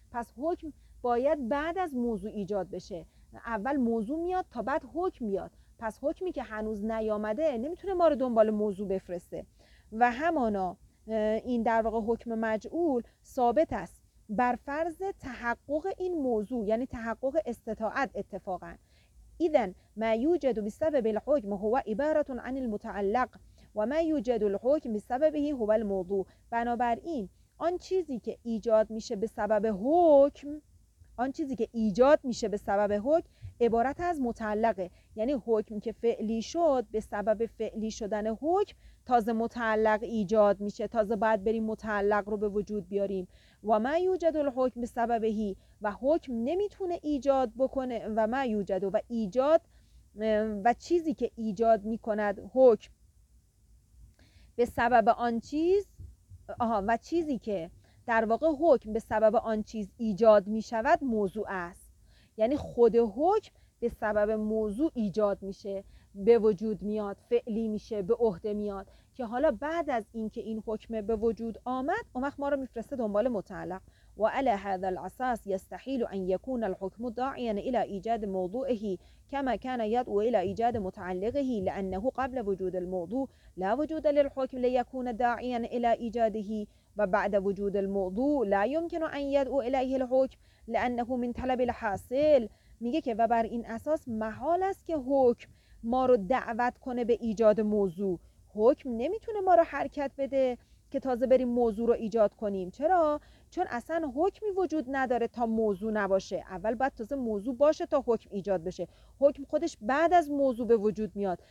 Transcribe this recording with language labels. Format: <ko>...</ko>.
<fa>پس حکم باید بعد از موضوع ایجاد بشه، اول موضوع میاد تا بعد حکم میاد. پس حکمی که هنوز نیامده نمیتونه ما رو دنبال موضوع بفرسته. و همانا این در واقع حکم مجعول ثابت است بر فرض تحقق این موضوع، یعنی تحقق استطاعت اتفاقا.</fa> <ar>اذن ما يوجد بسبب الحكم هو عباره عن المتعلق و ما يوجد الحكم بسببه هو الموضوع.</ar> <fa>بنابراین آن چیزی که ایجاد میشه به سبب حکم، آن چیزی که ایجاد میشه به سبب حکم عبارت از متعلقه. یعنی حکم که فعلی شد به سبب فعلی شدن حکم تازه متعلق ایجاد میشه، تازه بعد بریم متعلق رو به وجود بیاریم.</fa> <ar>و ما یوجد الحکم به سببه،</ar> <fa>و حکم نمیتونه ایجاد بکنه، و ما یوجد و ایجاد و چیزی که ایجاد میکند حکم به سبب آن چیز، و چیزی که در واقع حکم به سبب آن چیز ایجاد میشود موضوع است. یعنی خود حکم به سبب موضوع ایجاد میشه. به وجود میاد، فعلی میشه، به عهده میاد، که حالا بعد از اینکه این حکم به وجود آمد اون وقت ما رو میفرسته دنبال متعلق.</fa> <ar>و على هذا الاساس يستحيل ان يكون الحكم داعيا الى ايجاد موضوعه كما كان يدعو الى ايجاد متعلقه، لانه قبل وجود الموضوع لا وجود للحكم ليكون داعيا الى ايجاده، وبعد وجود الموضوع لا يمكن ان يدعو اليه الحكم لانه من طلب الحاصل.</ar> <fa>میگه که و بر این اساس محال است که حکم ما رو دعوت کنه به ایجاد موضوع. حکم نمیتونه ما رو حرکت بده که تازه بریم موضوع رو ایجاد کنیم. چرا؟ چون اصلا حکمی وجود نداره تا موضوع نباشه. اول باید تازه موضوع باشه تا حکم ایجاد بشه. حکم خودش بعد از موضوع به وجود میاد.</fa>